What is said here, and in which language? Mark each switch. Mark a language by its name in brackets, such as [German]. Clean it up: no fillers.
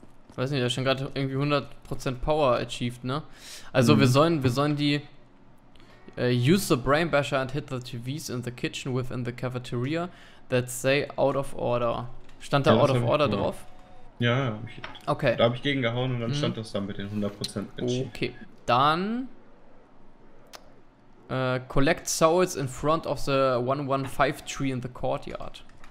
[German] Ich weiß nicht, da stand gerade irgendwie 100% [English] Power achieved, [German] ne? Also wir sollen die. [English] Use the brain basher and hit the TVs in the kitchen within the cafeteria that say out of order. [German] Stand da ja, [English] out of order [German] drauf? Ja, okay. Da habe ich gegengehauen und dann stand das dann mit den 100% [English] achieved. [German] Okay. Dann. [English] Collect souls in front of the 115 tree in the courtyard.